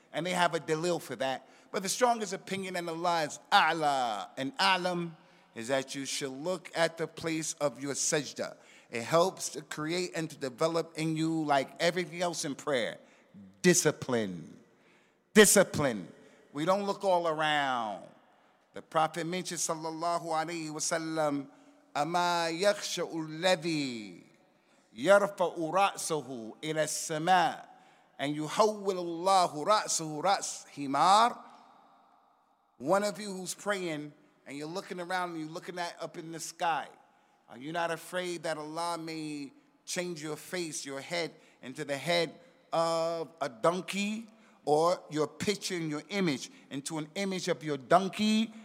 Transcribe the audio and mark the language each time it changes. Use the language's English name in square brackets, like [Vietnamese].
[English] And they have a dalil for that. But the strongest opinion in Allah is A'la and A'lam is that you should look at the place of your sajda. It helps to create and to develop in you, like everything else in prayer, discipline. Discipline. We don't look all around. The Prophet mentioned, [Arabic] sallallahu alayhi wa sallam, أَمَا يَخْشَعُ الَّذِي يَرْفَعُ رَأْسَهُ إِلَى السَّمَاءِ أَنْ يُحَوِّلُ اللَّهُ رَأْسَهُ رَأْسِ حِمَارٍ. [English] One of you who's praying and you're looking around and you're looking at up in the sky, are you not afraid that Allah may change your face, your head, into the head of a donkey, or your picture and your image into an image of your donkey?